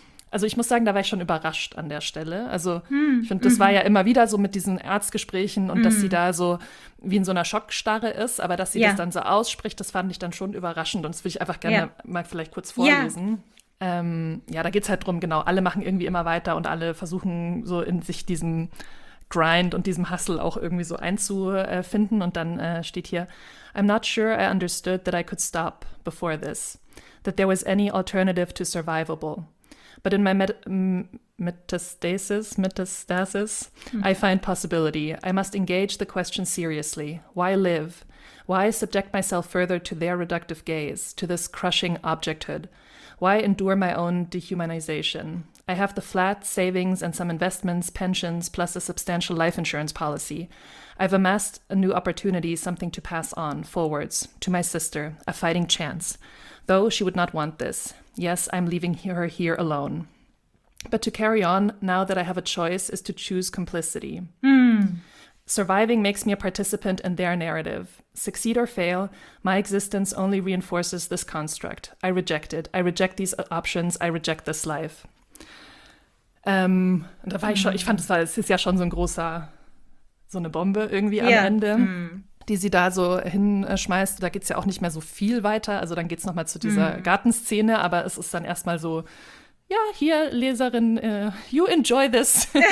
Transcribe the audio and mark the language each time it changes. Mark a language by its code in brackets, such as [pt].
[de] Also ich muss sagen, da war ich schon überrascht an der Stelle. Also ich finde, das war ja immer wieder so mit diesen Arztgesprächen und dass sie da so wie in so einer Schockstarre ist, aber dass sie das dann so ausspricht, das fand ich dann schon überraschend. Und das würde ich einfach gerne mal vielleicht kurz vorlesen. Ja. Ja, da geht es halt drum, genau, alle machen irgendwie immer weiter und alle versuchen so in sich diesen Grind und diesem Hustle auch irgendwie so einzufinden. Und dann steht hier, [en] I'm not sure I understood that I could stop before this, that there was any alternative to survivable. But in my metastasis, I find possibility. I must engage the question seriously. Why live? Why subject myself further to their reductive gaze, to this crushing objecthood? Why endure my own dehumanization? I have the flat, savings and some investments, pensions, plus a substantial life insurance policy. I've amassed a new opportunity, something to pass on, forwards, to my sister, a fighting chance. Though she would not want this. Yes, I'm leaving her here alone. But to carry on, now that I have a choice, is to choose complicity. Surviving makes me a participant in their narrative. Succeed or fail, my existence only reinforces this construct. I reject it. I reject these options. I reject this life. [de] Da war ich schon, ich fand, es ist ja schon so ein großer, so eine Bombe irgendwie am Ende, die sie da so hinschmeißt. Da geht es ja auch nicht mehr so viel weiter. Also dann geht es nochmal zu dieser Gartenszene, aber es ist dann erstmal so, ja, hier, Leserin, [en] you enjoy this.